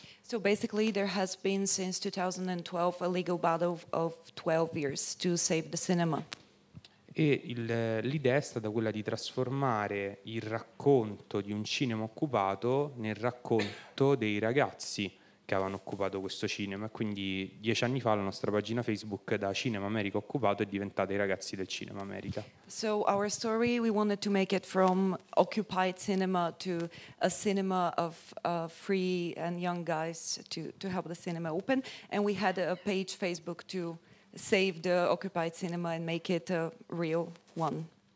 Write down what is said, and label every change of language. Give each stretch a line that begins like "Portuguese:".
English: So basically there has been since 2012 a legal battle of 12 years to save the cinema.
Italian: E l'idea è stata quella di trasformare il racconto di un cinema occupato nel racconto dei ragazzi che avevano occupato questo cinema. Quindi 10 anni fa la nostra pagina Facebook da Cinema America Occupato è diventata I Ragazzi del Cinema America.
English: So our story, we wanted to make it from occupied cinema to a cinema of free and young guys to help the cinema open. And we had a page Facebook to save the occupied cinema and make it a real one.